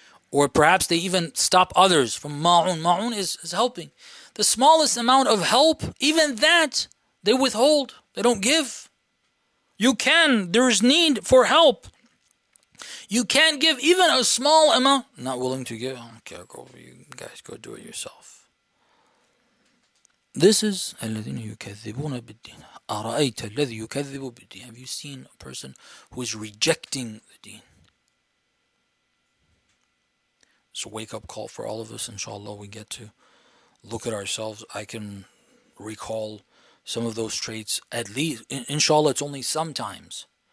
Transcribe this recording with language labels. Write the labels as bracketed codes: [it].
[en] Or perhaps they even stop others from ma'un. Ma'un is helping. The smallest amount of help, even that, they withhold. They don't give. You can. There is need for help. You can give even a small amount. Not willing to give. Okay, go over you guys. Go do it yourself. This is [ar] الَّذِينَ يُكَذِّبُونَ بِالدِّينَ. أَرَأَيْتَ الَّذِي يُكَذِّبُ بِالدِّينَ. [en] Have you seen a person who is rejecting the deen? It's a wake-up call for all of us, inshallah. We get to look at ourselves. I can recall some of those traits, at least, inshallah, it's only sometimes.